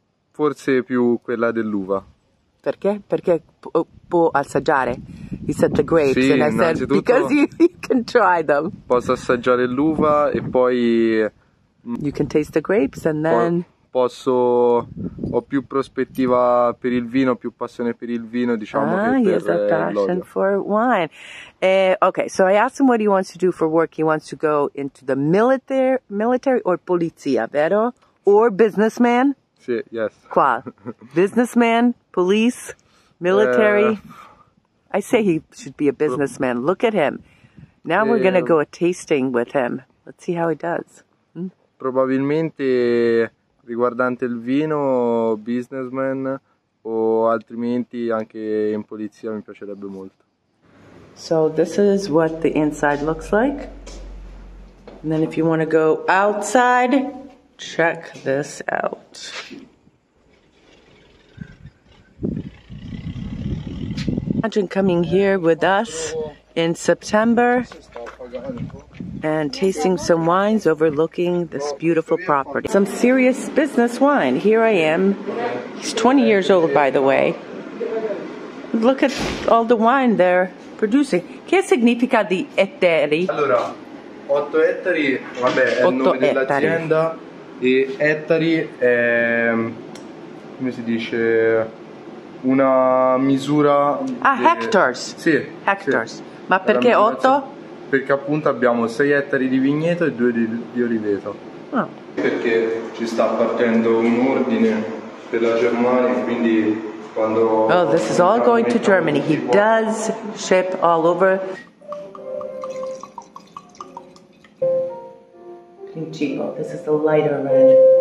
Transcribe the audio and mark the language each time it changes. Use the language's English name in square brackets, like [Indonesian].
[Italian] Forse più quella dell'uva. Perché? Perché può assaggiare? [English] He said the grapes, [Italian] sì, [English] and I said because you can try them. [Italian] Posso assaggiare l'uva e poi. [English] You can taste the grapes and then. [Italian] Posso, ho più prospettiva per il vino, più passione per il vino, diciamo, che per l'olio. [English] Ah, he has a passion for wine. Okay, so I asked him what he wants to do for work. He wants to go into the military or [Italian] polizia, vero? [English] Or businessman? [Italian] Sì, [English] yes. [Italian] Qua? [English] Businessman, police, military? I say he should be a businessman. Look at him. Now we're going to go a tasting with him. Let's see how he does. [Italian] Probabilmente riguardante il vino, businessman, o altrimenti anche in polizia mi piacerebbe molto. [English] So this is what the inside looks like. And then if you want to go outside, check this out. Imagine coming here with us in September and tasting some wines overlooking this beautiful property. Some serious business wine. Here I am. He's 20 years old, by the way. Look at all the wine they're producing. [Italian] Che significa di ettari? Allora, 8 ettari, vabbè, è il nome dell'azienda. E ettari è, come si dice, una misura... [English] Ah, de... hectares. [Italian] Sì. Hectares. Sì. Ma perché 8? Perché appunto abbiamo 6 ettari di vigneto e 2 di oliveto. Ah. Perché ci sta partendo un ordine per la Germania, quindi... [English] Oh, this is all going to Germany. He does ship all over. This is the lighter red.